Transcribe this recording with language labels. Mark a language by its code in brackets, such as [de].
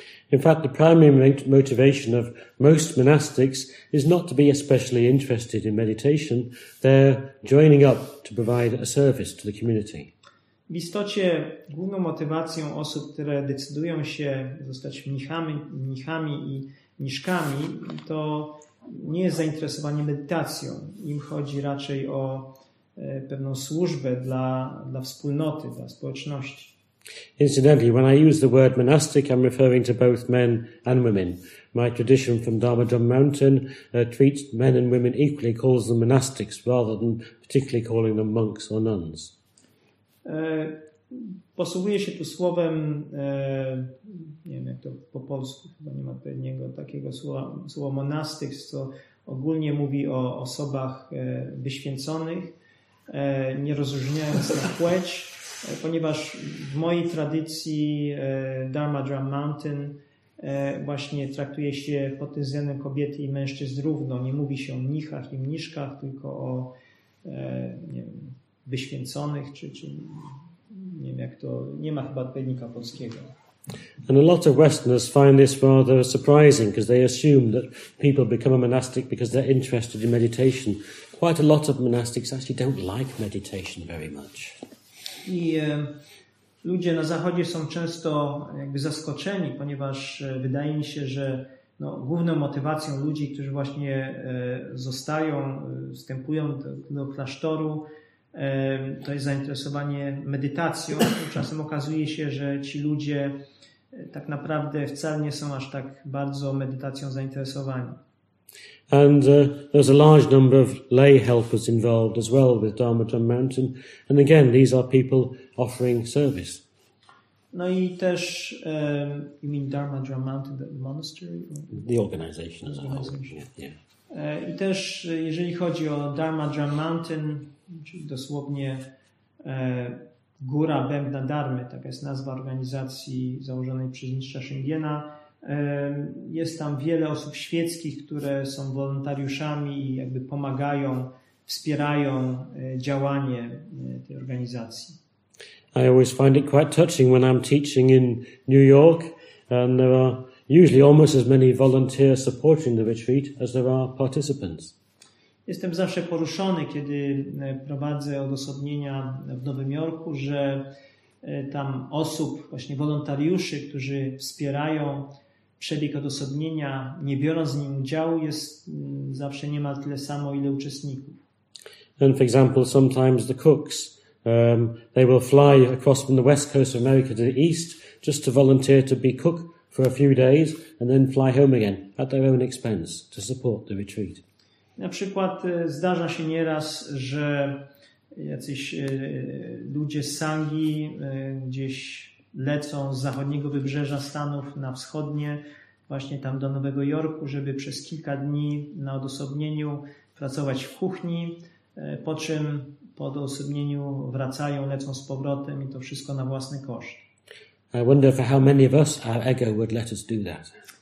[en] In fact, the primary motivation of most monastics is not to be especially interested in meditation. They're joining up to provide a service to the community. [pl] W istocie główną motywacją osób, które decydują się zostać mnichami i mniszkami, to nie jest zainteresowanie medytacją. Im chodzi raczej o pewną służbę dla wspólnoty, dla społeczności. [en] Incidentally, when I use the word monastic, I'm referring to both men and women. My tradition from Dharma Drum Mountain treats men and women equally, calls them monastics rather than particularly calling them monks or nuns. [pl] Posługuję się tu słowem, nie wiem jak to po polsku, chyba nie ma pewnego takiego słowa monastics, co ogólnie mówi o osobach wyświęconych, nie rozróżniając na płeć. Ponieważ w mojej tradycji Dharma Drum Mountain właśnie traktuje się pod tym względem kobiety i mężczyzn równo. Nie mówi się o mnichach i mniszkach, tylko o nie wiem, wyświęconych, czy nie wiem jak to, nie ma chyba odpowiednika polskiego. [en] And a lot of Westerners find this rather surprising because they assume that people become a monastic because they're interested in meditation. Quite a lot of monastics actually don't like meditation very much. [pl] I ludzie na Zachodzie są często jakby zaskoczeni, ponieważ wydaje mi się, że no, główną motywacją ludzi, którzy właśnie zostają, wstępują do klasztoru, to jest zainteresowanie medytacją. Czasem okazuje się, że ci ludzie tak naprawdę wcale nie są aż tak bardzo medytacją zainteresowani. [en] And there's a large number of lay helpers involved as well with Dharma Drum Mountain. And again, these are people offering service. [pl] No i też, [en] you mean Dharma Drum Mountain, the monastery? The organization as a whole. [pl] I też, jeżeli chodzi o Dharma Drum Mountain, czyli dosłownie Góra Bębna Dharmy, taka jest nazwa organizacji założonej przez Mistrza Shingena. Jest tam wiele osób świeckich, które są wolontariuszami i jakby pomagają, wspierają działanie tej organizacji. [en] I always find it quite touching when I'm teaching in New York and there are usually almost as many volunteers supporting the retreat as there are participants. [pl] Jestem zawsze poruszony, kiedy prowadzę odosobnienia w Nowym Jorku, że tam osób, właśnie wolontariuszy, którzy wspierają przebieg odosobnienia, nie biorąc z nim udziału, jest zawsze niemal tyle samo, ile uczestników. [en] And for example, sometimes the cooks, they will fly across from the west coast of America to the east just to volunteer to be cook for a few days and then fly home again at their own expense to support the retreat. [pl] Na przykład zdarza się nieraz, że jacyś ludzie z Sangi gdzieś lecą z zachodniego wybrzeża Stanów na wschodnie, właśnie tam do Nowego Jorku, żeby przez kilka dni na odosobnieniu pracować w kuchni, po czym po odosobnieniu wracają, lecą z powrotem i to wszystko na własny koszt. [en] I wonder for how many of us our ego would let us do that.